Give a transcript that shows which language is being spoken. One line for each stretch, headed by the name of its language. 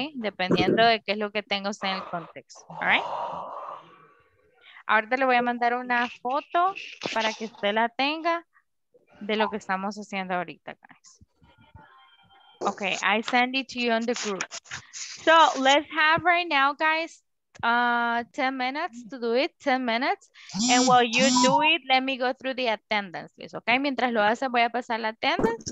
Spanish: Dependiendo de qué es lo que tengo en el contexto,
English: ¿all right?
Spanish: Ahorita le voy a mandar una foto para que usted la tenga de lo que estamos haciendo ahorita,
English: guys. Okay, I send it to you on the group. So let's have right now, guys, 10 minutes to do it, 10 minutes. And while you do it, let me go through the attendance list. Okay,
Spanish: mientras lo hace, voy a pasar la attendance.